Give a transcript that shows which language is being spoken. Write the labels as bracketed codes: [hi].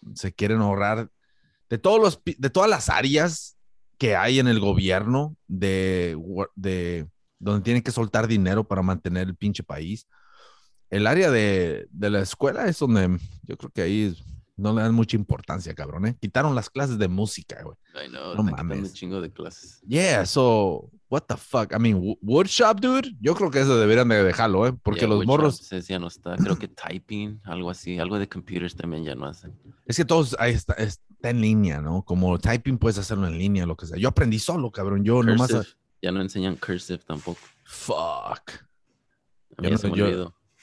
[es] se quieren ahorrar de todas las áreas que hay en el gobierno de donde tienen que soltar dinero para mantener el pinche país. El área de la escuela es donde yo creo que ahí no le dan mucha importancia, cabrón, ¿eh? Quitaron las clases de música, güey. Ay, no, No están quitando un mames. chingo de clases. [en] Yeah, so, what the fuck? I mean, woodshop, dude. [es] Yo creo que eso deberían de dejarlo, ¿eh? Ya, Porque los morros. ese ya no está. Creo que typing, algo así, algo de computers también ya no hacen. Es que todos ahí está en línea, ¿no? Como typing puedes hacerlo en línea, lo que sea. Yo aprendí solo, cabrón. Yo nomás. Cursive, ya no enseñan cursive tampoco. [en] Fuck. [es] A mí ya se me olvidó.